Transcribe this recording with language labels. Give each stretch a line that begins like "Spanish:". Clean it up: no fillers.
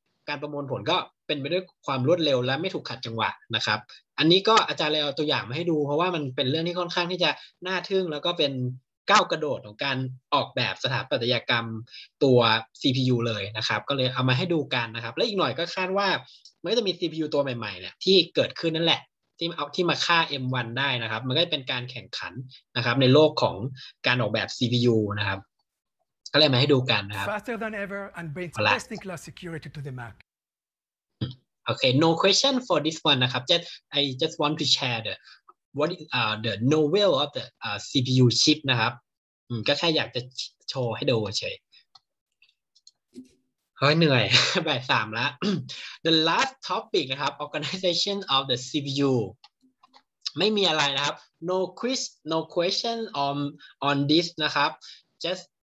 Thai: การประมวลผลก็เป็นไปด้วยความรวดเร็วและไม่ถูกขัดจังหวะนะครับอันนี้ก็อาจารย์เลยเอาตัวอย่างมาให้ดูเพราะว่ามันเป็นเรื่องที่ค่อนข้างที่จะน่าทึ่งแล้วก็เป็นก้าวกระโดดของการออกแบบสถาปัตยกรรมตัว CPU เลยนะครับก็เลยเอามาให้ดูกันนะครับและอีกหน่อยก็คาดว่ามันก็จะมี CPU ตัวใหม่ๆเนี่ยที่เกิดขึ้นนั่นแหละที่เอาที่มาฆ่า M1 ได้นะครับมันก็เป็นการแข่งขันนะครับในโลกของการออกแบบ CPU นะครับก็เลยมาให้ดูกันนะครับ
English: Faster than ever and brings best in class security to the Mac Okay no question for this one นะครับ I just want to share theWhat is the novel of the CPU chip นะครับ
Thai: ก็แค่อยากจะโชว์ให้ดูเฉยเหนื่อยแบบ3แล้ว
English: The last topic นะครับ organization of the CPU
Thai: ไม่มีอะไร
English: นะครับ no quiz no question on this นะครับ just